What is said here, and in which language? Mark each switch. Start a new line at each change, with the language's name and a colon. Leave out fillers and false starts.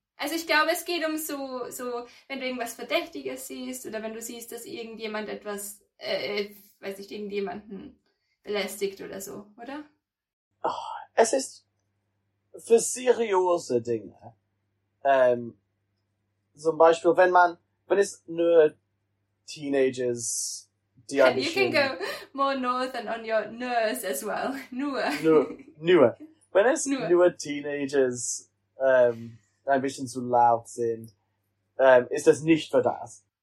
German: Also ich glaube, es geht um so, wenn du irgendwas Verdächtiges siehst oder wenn du siehst, dass irgendjemand etwas, irgendjemanden belästigt oder so, oder? Oh, es ist für seriöse Dinge. Zum Beispiel, wenn es nur Teenagers...
English: You can go more northern on your nurse as well.
German: Nur. Wenn es nur Teenagers ein bisschen zu laut sind, ist das nicht für das.